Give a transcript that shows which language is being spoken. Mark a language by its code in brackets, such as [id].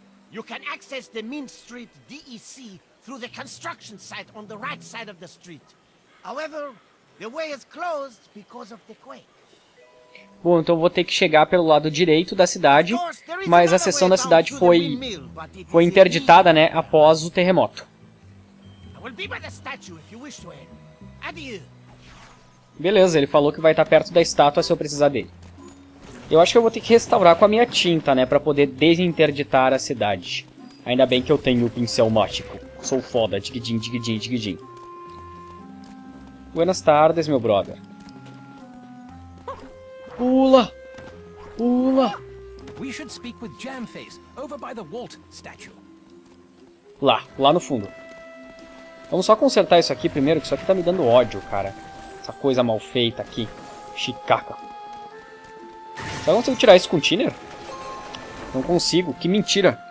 [en] You can access the Main Street DEC through the construction site on the right side of the street. However, the way is closed because of the quake. [pt] Bom, então eu vou ter que chegar pelo lado direito da cidade, mas a seção da cidade foi interditada, né, após o terremoto. [en] I will be by the statue if you wish to enter. Adieu. [pt] Beleza, ele falou que vai estar perto da estátua se eu precisar dele. Eu acho que eu vou ter que restaurar com a minha tinta, né? Pra poder desinterditar a cidade. Ainda bem que eu tenho o pincel mágico. Sou foda. Digidim, digidim, digidim. [es] Buenas tardes, [pt] meu brother. Pula! Pula! [en] We should speak with Jamface, over by the Walt statue. [pt] Lá no fundo. Vamos só consertar isso aqui primeiro, que isso aqui tá me dando ódio, cara. Essa coisa mal feita aqui. Chicaca. Será que eu consigo tirar isso com o Tiner? Não consigo, que mentira.